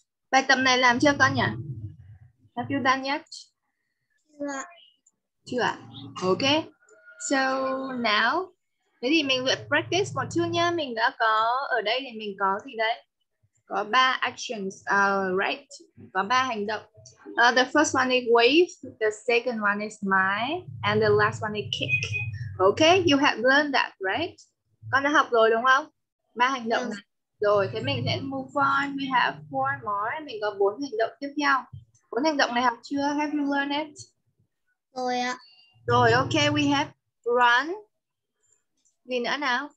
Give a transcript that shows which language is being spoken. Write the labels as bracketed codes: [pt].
[vi] Bài tập này làm chưa con nhỉ? [en] Have you done yet? [vi] Chưa. Chưa ạ? Ok. So now, thế thì mình vừa practice một chút nha. Mình đã có, ở đây thì mình có gì đấy? Có ba actions, right? Có ba hành động. [en] The first one is wave, the second one is smile, and the last one is kick. Ok, you have learned that, right? [vi] Con đã học rồi đúng không? Ba hành động này. Rồi, thế mình sẽ move on. [en] We have four more. [vi] Mình có bốn hành động tiếp theo. Bốn hành động này học chưa? [en] Have you learned it? [vi] Rồi ạ. Rồi, ok. [en] We have run. [vi] Gì nữa nào?